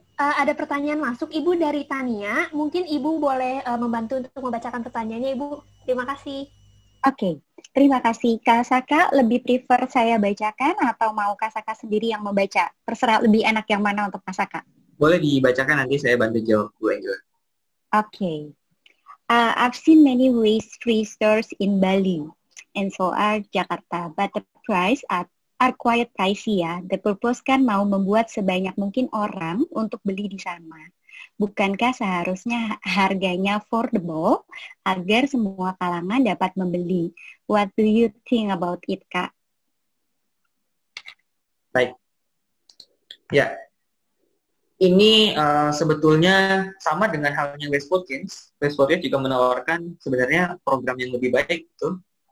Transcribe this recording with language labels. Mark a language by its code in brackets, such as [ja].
[id] Ada pertanyaan masuk, Ibu dari Tania. Mungkin Ibu boleh membantu untuk membacakan pertanyaannya, Ibu. Terima kasih. Oke, terima kasih. Kak Saka, lebih prefer saya bacakan atau mau Kak Saka sendiri yang membaca? Terserah lebih enak yang mana untuk Kak Saka. Boleh dibacakan, nanti saya bantu jawab, Bu Angel. Oke. [en] I've seen many waste free stores in Bali. And so are Jakarta, but the price are quite pricey ya. The purpose [id] kan mau membuat sebanyak mungkin orang untuk beli di sana. Bukankah seharusnya harganya affordable agar semua kalangan dapat membeli? [en] What do you think about it, Kak? [id] Baik. Ya. Yeah. Ini sebetulnya sama dengan halnya Westfotkins. Westfotkins juga menawarkan sebenarnya program yang lebih baik itu.